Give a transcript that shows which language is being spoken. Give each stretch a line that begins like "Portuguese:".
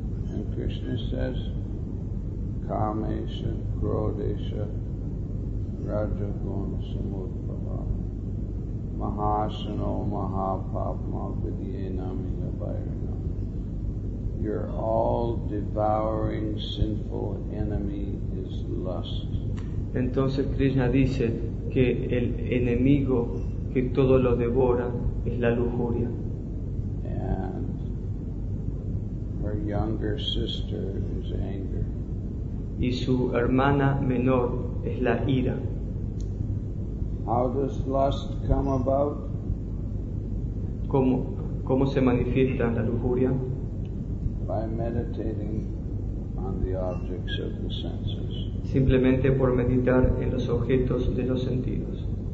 English: And Krishna says,
Sanskrit: Kamesha, Krodesha, Rajagun, Samudpaha, Mahasano, Mahapapma, Vidyena, Mihabhairana.
English: Your all-devouring sinful enemy is lust.
Spanish: Entonces Krishna dice que el enemigo que todo lo devora es la lujuria.
English: And her younger sister is anger.
Spanish: Y su hermana menor es la ira.
English: How does lust come about?
Spanish: ¿Cómo se manifiesta la lujuria?
English: By meditating on the objects of the senses.
Spanish: Simplemente por meditar en los objetos de los sentidos.